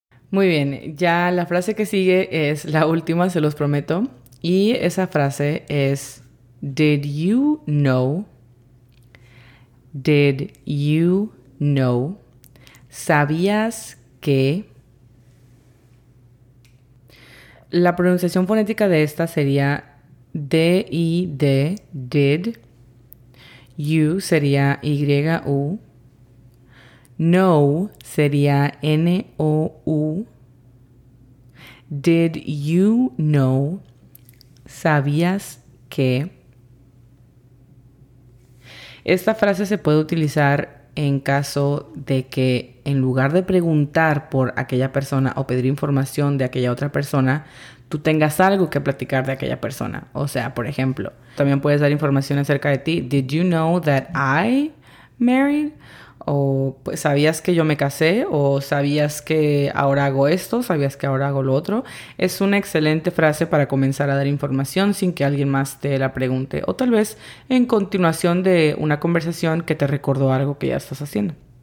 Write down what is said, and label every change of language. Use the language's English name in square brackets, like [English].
[Spanish] Muy bien, ya la frase que sigue es la última, se los prometo. Y esa frase es, [English] did you know? Did you know? [Spanish] ¿Sabías que? La pronunciación fonética de esta sería D-I-D, did. You sería Y-U. Know sería N-O-U. [English] Did you know? [Spanish] ¿Sabías que? Esta frase se puede utilizar en caso de que en lugar de preguntar por aquella persona o pedir información de aquella otra persona, tú tengas algo que platicar de aquella persona. O sea, por ejemplo, también puedes dar información acerca de ti. [English] Did you know that I married? [Spanish] O pues, ¿sabías que yo me casé? O ¿sabías que ahora hago esto? ¿Sabías que ahora hago lo otro? Es una excelente frase para comenzar a dar información sin que alguien más te la pregunte. O tal vez en continuación de una conversación que te recordó algo que ya estás haciendo.